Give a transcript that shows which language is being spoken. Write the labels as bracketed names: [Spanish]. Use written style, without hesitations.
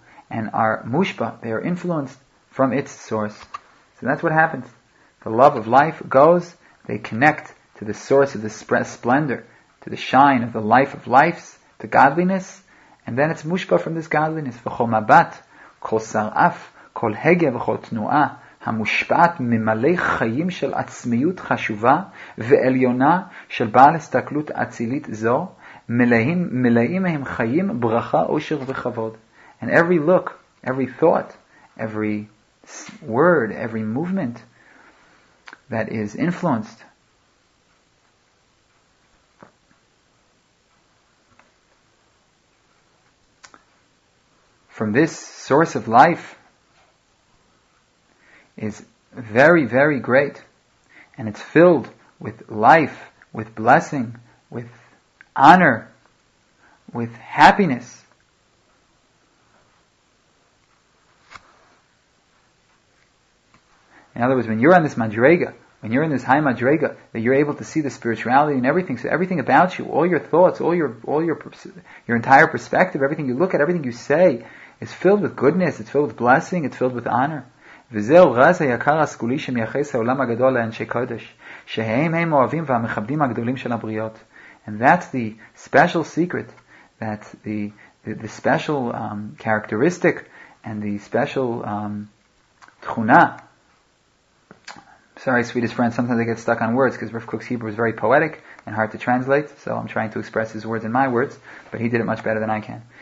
[English] And are mushpa, they are influenced from its source. So that's what happens. The love of life goes, they connect to the source of the splendor, to the shine of the life of lives, to godliness, and then it's mushpa from this godliness. [Hebrew] V'chol mabat, kol saraf, kol hege v'chol tnu'a. המושפעת ממלא חיים של עצמיות חשובה ועליונה של בעל הסתכלות אצילית זו, מלאים מהם חיים, ברכה, עושר וכבוד. [English] And every look, every thought, every word, every movement that is influenced from this source of life is very, very great, and it's filled with life, with blessing, with honor, with happiness. In other words, when you're on this madrega, when you're in this high madrega, that you're able to see the spirituality and everything, so everything about you, all your thoughts, all your entire perspective, everything you look at, everything you say, is filled with goodness, it's filled with blessing, it's filled with honor. [Hebrew] וזהו רז היקר הסגולי שמייחס העולם הגדול לאנשי קודש, שהם הם אוהבים והמכבדים הגדולים של הבריאות. [English] And that's the special secret, that's the special characteristic, and the special תכונה. Sorry, Swedish friends, sometimes I get stuck on words, because Rav Kook's Hebrew is very poetic and hard to translate, so I'm trying to express his words in my words, but he did it much better than I can.